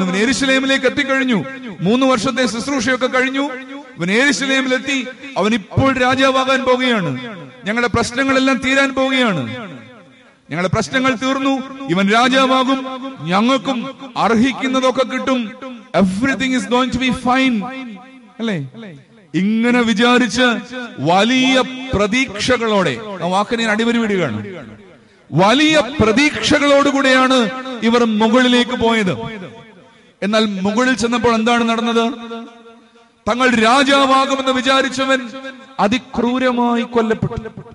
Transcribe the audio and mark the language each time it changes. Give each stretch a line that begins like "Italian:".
Malayalam: ഇവൻ യെരുശലേമിലേക്ക് എത്തിക്കഴിഞ്ഞു, 3 ശുശ്രൂഷയൊക്കെ കഴിഞ്ഞു. ഇവൻ യെരുശലേമിലെത്തി, അവൻ ഇപ്പോൾ രാജാവാകാൻ പോവുകയാണ്. ഞങ്ങളുടെ പ്രശ്നങ്ങളെല്ലാം തീരാൻ പോവുകയാണ്. ഞങ്ങളുടെ പ്രശ്നങ്ങൾ തീർന്നു, ഇവൻ രാജാവാകും, ഞങ്ങൾക്കും അർഹിക്കുന്നതൊക്കെ കിട്ടും.
English: Everything is going to be fine.
Malayalam: അല്ലേ? ഇങ്ങനെ വിചാരിച്ച് വലിയ പ്രതീക്ഷകളോടെ, ആ വാക്കിന് ഞാൻ അടിവരി വിടുകയാണ്, വലിയ പ്രതീക്ഷകളോടുകൂടെയാണ് ഇവർ മുകളിലേക്ക് പോയത്. എന്നാൽ മുകളിൽ ചെന്നപ്പോൾ എന്താണ് നടന്നത്? തങ്ങൾ രാജാവാകുമെന്ന് വിചാരിച്ചവൻ അതിക്രൂരമായി കൊല്ലപ്പെട്ടു.